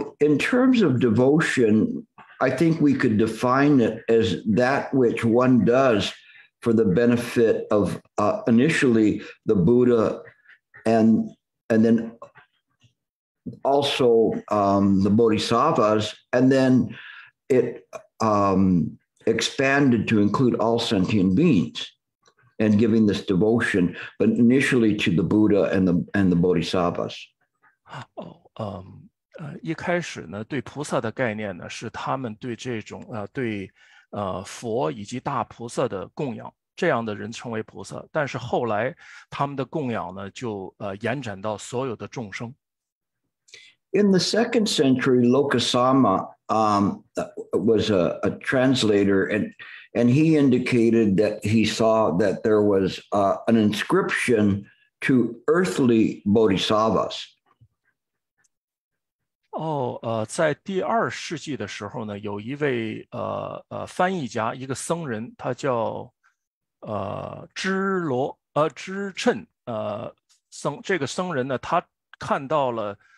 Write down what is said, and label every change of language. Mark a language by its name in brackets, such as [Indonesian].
[English] in terms of devotion, I think we could define it as that which one does for the benefit of initially the Buddha and then also the Bodhisattvas, and then it expanded to include all sentient beings and giving this devotion, but initially to the Buddha and the Bodhisattvas. [Chinese] Oh, 一开始呢，对菩萨的概念呢，是他们对这种佛以及大菩萨的供养，这样的人称为菩萨。但是后来，他们的供养呢，就延展到所有的众生。 [English] In the second century, Lokasama was a translator, and he indicated that he saw that there was an inscription to earthly bodhisattvas. [Chinese] Oh, 在第二世纪的时候呢，有一位翻译家，一个僧人，他叫支趁僧，这个僧人呢，他看到了。